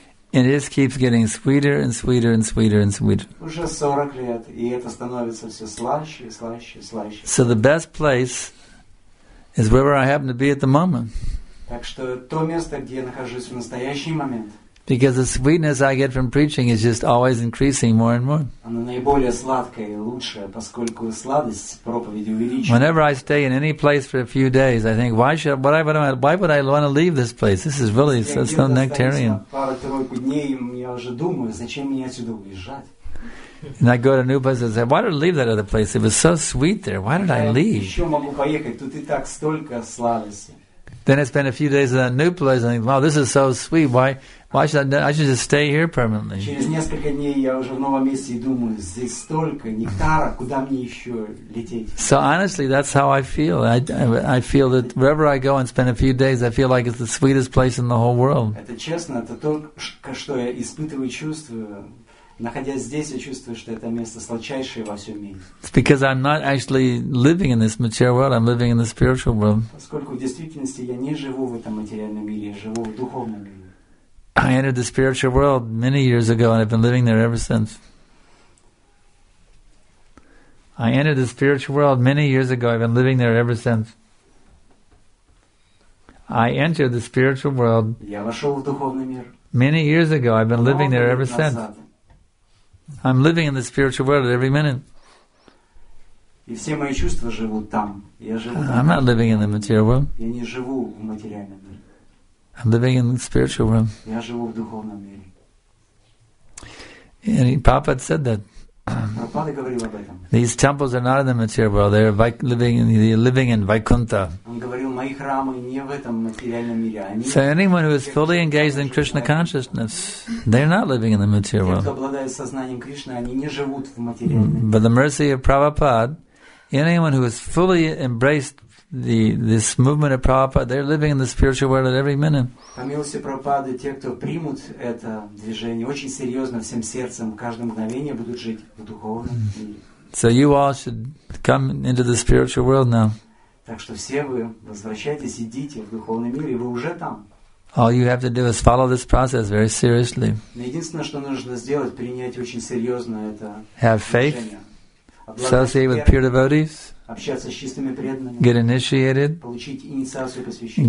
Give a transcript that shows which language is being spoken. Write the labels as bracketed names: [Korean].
[English] And it just keeps getting sweeter and sweeter and sweeter and sweeter. [Russian] Уже 40 лет, и это становится все слаще, слаще, слаще. [English] So the best place is wherever I happen to be at the moment. [Russian] Так что то место, где я нахожусь в настоящий момент. [English] Because the sweetness I get from preaching is just always increasing more and more. [Russian] Она наиболее сладкая и лучшая, поскольку сладость проповеди увеличивается. [English] Whenever I stay in any place for a few days, I think, why would I want to leave this place? This is really so nectarian. [Russian] Пару-тройку дней я уже думаю, зачем мне отсюда уезжать? [English] And I go to a new place and say, why did I leave that other place? It was so sweet there. Why did I leave? [Russian] Еще могу поехать, тут и так столько сладости. [English] Then I spend a few days in that new place and I think, wow, this is so sweet. Why should I should just stay here permanently? [Russian] Через несколько дней я уже в новом месте и думаю, здесь столько нектара, куда мне еще лететь? [English] So honestly, that's how I feel. I feel that wherever I go and spend a few days, I feel like it's the sweetest place in the whole world. [Russian] Это честно, это то, что я испытываю, чувствую. Находясь здесь, я чувствую, что это место сладчайшее во всем мире. [English] It's because I'm not actually living in this material world, I'm living in the spiritual world. [Russian] Поскольку в действительности я не живу в этом материальном мире, я живу в духовном мире. [English] I entered the spiritual world many years ago and I've been living there ever since. I entered the spiritual world many years ago, I've been living there ever since. I entered the spiritual world. [Russian] Я вошел в духовный мир. [English] Many years ago, I've been living there ever since. I'm living in the spiritual world at every minute. [Russian] И все мои чувства живут там. Я живу там. [English] I'm not living in the material world. [Russian] Я не живу в материальном мире. [English] I'm living in the spiritual world. [Russian] Я живу в духовном мире. [English] And Papa said that. [Russian] Прабхупада говорил об этом. [English] These temples are not in the material world. They're living in Vaikuntha. [Russian] Он говорил, мои храмы не в этом материальном мире. [English] So anyone who is fully engaged in Krishna consciousness, they're not living in the material world. [Russian] Те, кто обладает сознанием Кришны, они не живут в материальном мире. [English] By the mercy of Prabhupada, anyone who is fully embraced this movement of Prabhupada, they're living in the spiritual world at every minute. [Russian] По милости Прабхупады, те, кто примут это движение очень серьезно, всем сердцем, каждое мгновение будут жить в духовном мире. [English] So you all should come into the spiritual world now. [Russian] Так что все вы возвращайтесь, идите в духовный мир, и вы уже там. [English] All you have to do is follow this process very seriously. [Russian] Единственное, что нужно сделать, принять очень серьезно это движение. [English] Have faith. Associate with pure devotees. [Russian] Общаться с чистыми преданными. [English] Get initiated. [Russian] Получить инициацию посвящения.